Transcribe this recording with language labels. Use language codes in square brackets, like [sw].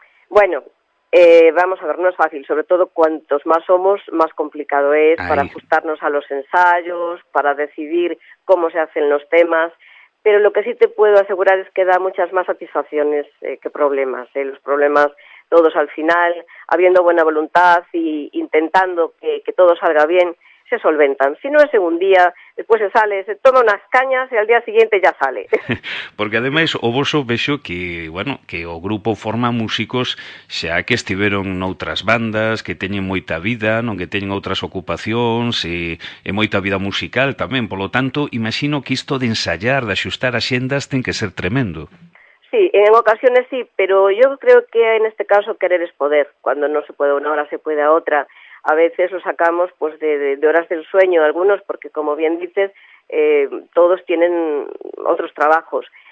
[es] Bueno, vamos a ver, no es fácil, sobre todo cuantos más somos, más complicado es para ajustarnos a los ensayos, para decidir cómo se hacen los temas, pero lo que sí te puedo asegurar es que da muchas más satisfacciones que problemas. Los problemas todos al final, habiendo buena voluntad e intentando que todo salga bien, se solventan. Si no es en un día, después se sale, se toma unas cañas y al día siguiente ya sale. [gl] Porque además, o vos vexo que, bueno, que o grupo forma músicos xa que estiveron noutras bandas, que teñen moita vida, non que teñen outras ocupacións, e moita vida musical tamén. [es] Por lo tanto, [gl] imagino que isto de ensayar, de axustar axendas, ten que ser tremendo. [es] Sí, en ocasiones sí, pero yo creo que en este caso querer es poder. Cuando no se puede a una hora, se puede a otra. A veces lo sacamos pues de horas del sueño algunos, porque como bien dices, todos tienen otros trabajos.